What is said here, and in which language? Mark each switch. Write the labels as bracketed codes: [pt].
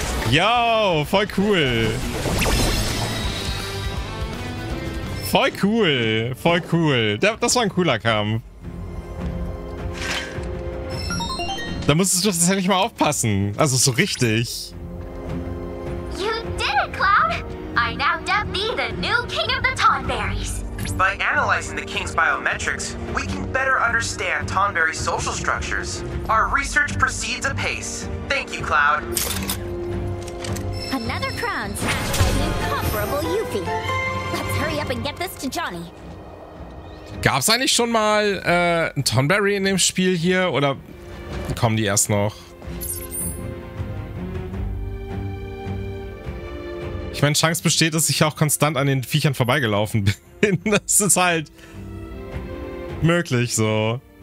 [de] Yo, voll cool. Voll cool, voll cool. Das war ein cooler Kampf. Da musstest du das ja nicht mal aufpassen. Also so richtig. [en] You did it, Cloud. I now dub thee the new king of the Tonberries. By analyzing the King's biometrics, we can better understand Tonberry's social structures. Our research proceeds apace. Thank you, Cloud. Another crown snatched by the incomparable Yuffie. Let's hurry up and get this to Johnny. [de] Gab's eigentlich schon mal ein Tonberry in dem Spiel hier? Oder kommen die erst noch? Ich meine, Chance besteht, dass ich auch konstant an den Viechern vorbeigelaufen bin. Das ist halt möglich, so.